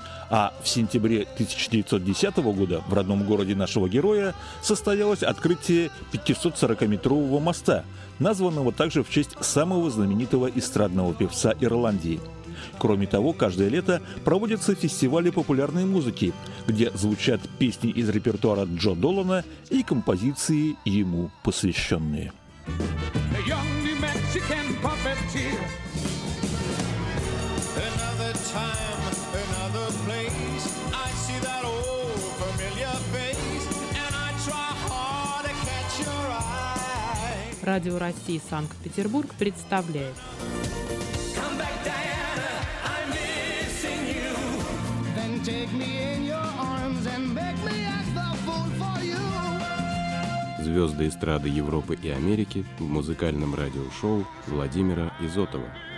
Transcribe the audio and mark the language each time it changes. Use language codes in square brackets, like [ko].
[ru] А в сентябре 1910 года в родном городе нашего героя состоялось открытие 540-метрового моста, названного также в честь самого знаменитого эстрадного певца Ирландии. Кроме того, каждое лето проводятся фестивали популярной музыки, где звучат песни из репертуара Джо Долана и композиции, ему посвященные. [en] A young New Mexican puppeteer. Another time, another place. I see that old familiar face, and I try hard to catch your eye. [ru] Радио России Санкт-Петербург представляет. [en] Come back, Diana, I'm missing you. Then take me in your arms and make me as the fool for you. [ru] Звезды эстрады Европы и Америки в музыкальном радиошоу Владимира Изотова.